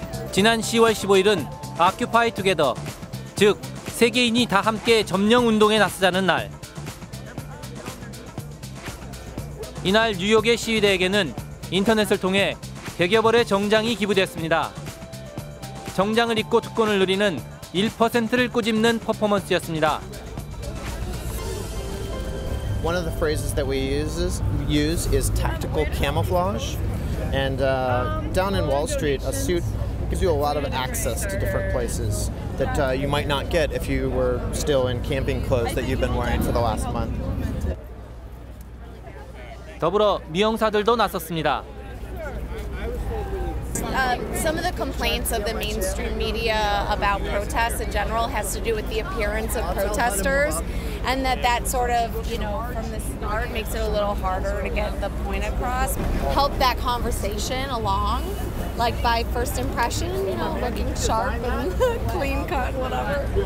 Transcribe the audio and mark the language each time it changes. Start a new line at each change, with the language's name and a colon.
Korean: 지난 10월 15일은 Occupy Together, 즉 세계인이 다 함께 점령운동에 나서자는 날. 이날 뉴욕의 시위대에게는 인터넷을 통해 100여벌의 정장이 기부됐습니다. 정장을 입고 특권을 누리는 1%를 꼬집는 퍼포먼스였습니다.
English: One of the phrases that we use is tactical camouflage. And down in Wall Street, a suit gives you a lot of access to different places that you might not get if you were still in camping clothes that you've been wearing for the last month.
Korean: 더불어 미용사들도 나섰습니다.
English: Some of the complaints of the mainstream media about protests in general has to do with the appearance of protesters, and that sort of, you know, from the start makes it a little harder to get the point across. Help that conversation along, like by first impression, you know, looking sharp and clean cut, whatever.